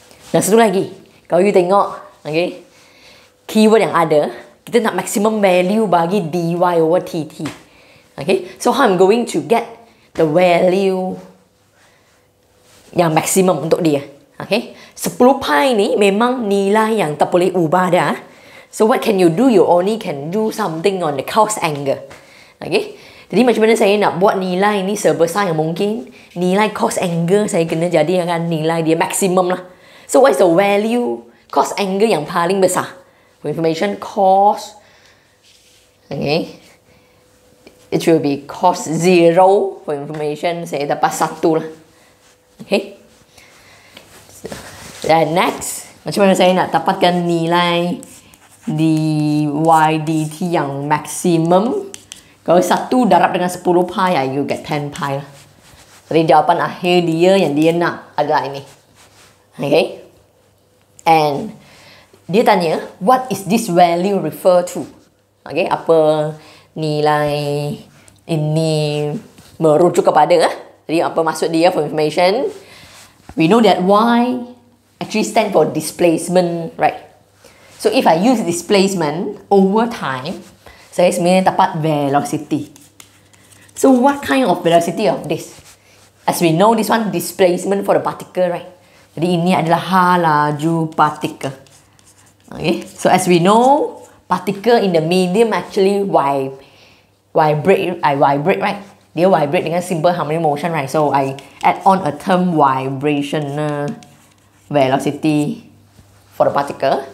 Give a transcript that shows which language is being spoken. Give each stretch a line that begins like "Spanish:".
Malay: Dan satu lagi, kalau you tengok okay, keyword yang ada, kita nak maximum value bagi dy over tt.
English: Okay, so how I'm going to get the value
Malay: yang maksimum untuk dia. Okay, 10 pi ni memang nilai yang tak boleh ubah dah.
English: So what can you do? You only can do something on the cos angle.
Malay: Okay, jadi macam mana saya nak buat nilai ni sebesar yang mungkin, nilai cos angle saya kena jadikan nilai dia maksimum lah.
English: So what is the value cos angle
Malay: yang paling besar?
English: For information, cos, okay, it will be cos 0. For information,
Malay: saya dapat 1 lah. Okay.
English: Then next,
Malay: macam mana saya nak dapatkan nilai dy dt yang maksimum? Kalau 1 darab dengan 10 pi,
English: you get
Malay: 10 pi lah. Jadi jawapan akhir dia yang dia nak adalah ini. Okay.
English: And
Malay: dia tanya,
English: what is this value refer to?
Malay: Okay, apa nilai ini merujuk kepada? Jadi apa maksud dia?
English: For information, we know that y actually stand for displacement, right? So if I use displacement over time,
Malay: saya sebenarnya dapat
English: velocity. So what kind of velocity of this? As we know, this one displacement for the particle, right?
Malay: Jadi ini adalah halaju partikel.
English: Okay, so as we know, particle in the medium actually vibrate, right? Dia vibrate dengan simple harmonic motion, right? So I add on a term vibrational velocity for the particle.